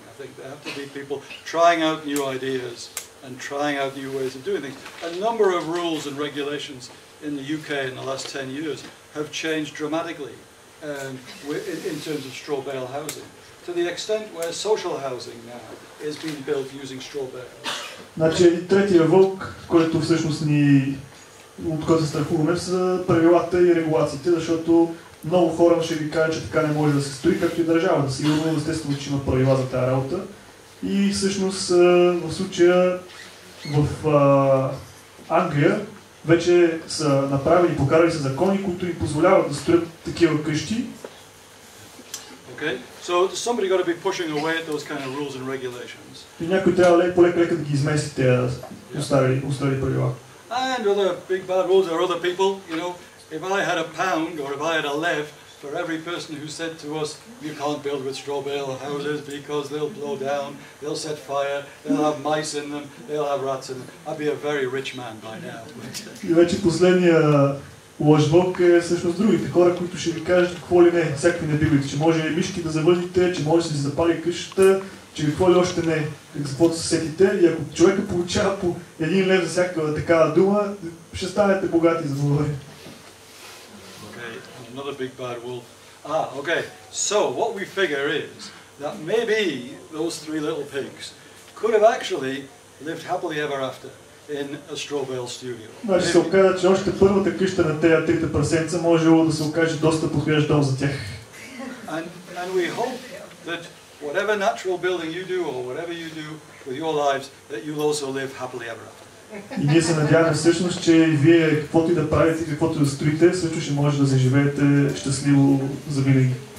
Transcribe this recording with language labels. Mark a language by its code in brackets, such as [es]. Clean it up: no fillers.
[en] I think there have to be people trying out new ideas and trying out new ways of doing things. A number of rules and regulations in the UK in the last 10 years have changed dramatically in terms of straw bale housing, to the extent where social housing now is being built using straw bales. [bg] Значи третия вълк, който всъщност ни от който се страхуваме, са правилата и регулациите, защото много хора ще ви кажат, че така не може да се строи, както и държавата. Сигурно естествено, че има правила за тази работа. И всъщност в случая в Англия вече са направили, покарали се закони, които им позволяват да строят такива къщи. [en] OK, Okay, so somebody got to be pushing away at those kind of rules and regulations. [bg] И някой трябва лек-лек да ги измести тези устари правила. [en] And other big bad rules are other people, you know. If I had a pound or if I had a lev for every person who said to us, you can't build with straw bale houses because they'll blow down, they'll set fire, they'll have mice in them, they'll have rats in them, I'd be a very rich man by now. [bg] И вече последния лъжбок е всъщност другите хора, които ще ви кажат какво ли не, всякакви небивлици, че може мишки да завъдите, че може да се запали къщата, че какво ли още не, каквото се сетите, и ако човекът получава по един лев за всяка такава дума, ще станете богати за благодаря. [en] Another big bad wolf. Ah, okay. So what we figure is that maybe those three little pigs could have actually lived happily ever after in a straw bale studio. [bg] Значи се оказа, че още първата къща на тези трите прасенца можело да се окаже доста подходящ дом за тях. [en] And we hope that whatever natural building you do or whatever you do with your lives, that you'll also live happily ever after. [bg] И ние се надяваме всъщност, че вие каквото и да правите и каквото и да строите, също ще може да заживеете щастливо за винаги.